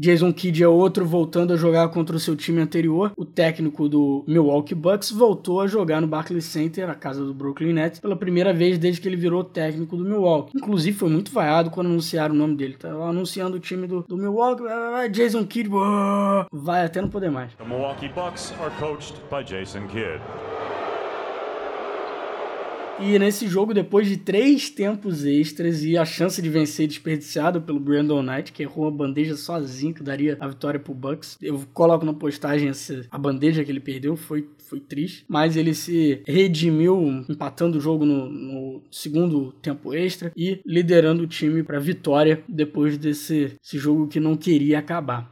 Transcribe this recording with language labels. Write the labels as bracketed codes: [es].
[pt] Jason Kidd é outro voltando a jogar contra o seu time anterior. O técnico do Milwaukee Bucks voltou a jogar no Barclays Center, a casa do Brooklyn Nets, pela primeira vez desde que ele virou técnico do Milwaukee. Inclusive, foi muito vaiado quando anunciaram o nome dele. Tava anunciando o time do Milwaukee. Jason Kidd. Vai até não poder mais. [en] The Milwaukee Bucks are coached by Jason Kidd. [pt] E nesse jogo, depois de 3 tempos extras e a chance de vencer desperdiçada pelo Brandon Knight, que errou uma bandeja sozinho, que daria a vitória pro Bucks. Eu coloco na postagem a bandeja que ele perdeu, foi triste. Mas ele se redimiu empatando o jogo no segundo tempo extra e liderando o time pra vitória depois desse jogo que não queria acabar.